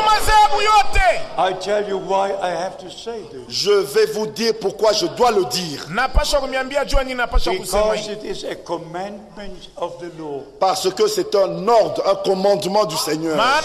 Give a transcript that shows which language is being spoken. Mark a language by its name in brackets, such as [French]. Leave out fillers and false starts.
[English] I tell you why I have to say this. [French] Je vais vous dire pourquoi je dois le dire. [English] Because it is a commandment of the Lord. [French] Parce que c'est un ordre, un commandement du Seigneur.